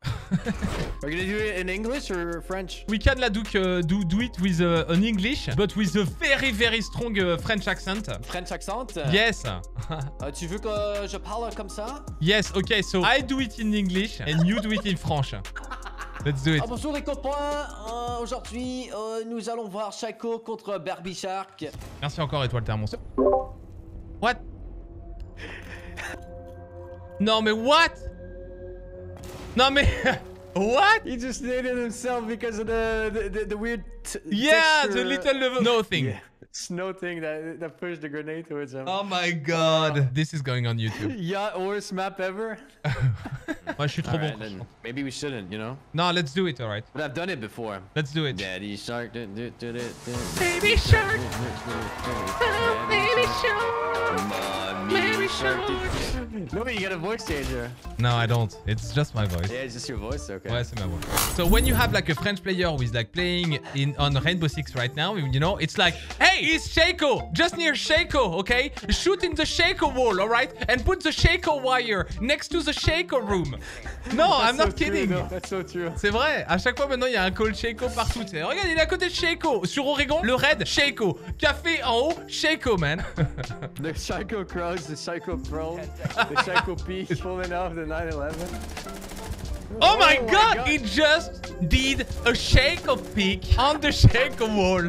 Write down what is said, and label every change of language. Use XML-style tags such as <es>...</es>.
<en>Are you gonna do it in English or French? We can la do it with an English, but with a very very strong French accent. French accent? Yes.</en> <fr>Tu veux que je parle comme ça?</fr> <en>Yes, okay, so I do it in English and you do it in French. Let's do it.</en> <fr>Ah, bonjour les copains, aujourd'hui nous allons voir Sheiko contre Barbie Shark. Merci encore et toi le thermos. What? Non mais what? Non mais what?</fr> <en>He just named himself because of the weird yeah, texture. The little no thing. Yeah. It's no thing that pushed the grenade towards him. Oh my god, this is going on YouTube. Yeah, worst map ever.</en> <fr>Moi je suis trop bon.</fr> <en>Maybe we shouldn't, you know? No, let's do it, all right. But I've done it before. Let's do it. Daddy Shark. Baby Shark. Baby Shark. No, but you got a voice changer. No, I don't. It's just my voice. Yeah, it's just your voice, okay.</en> <fr>Ouais, c'est ma voix.</fr> <en>So when you have like a French player who is like playing in on Rainbow Six right now, you know, it's like, hey, it's Sheiko, just near Sheiko, okay? Shoot in the Sheiko wall, all right? And put the Sheiko wire next to the Sheiko room. No, I'm not kidding. True, no. That's so true.</en> <fr>C'est vrai. À chaque fois maintenant, il y a un call Sheiko partout. T'sais. Regarde, il est à côté de Sheiko. Sur Oregon, le raid, Sheiko. Café en haut, Sheiko, man.</fr> <en>The Sheiko crowds, the Sheiko throne, the Sheiko peak pulling off the 9/11. Oh my god, he just did a Sheiko peak on the Sheiko wall.</en>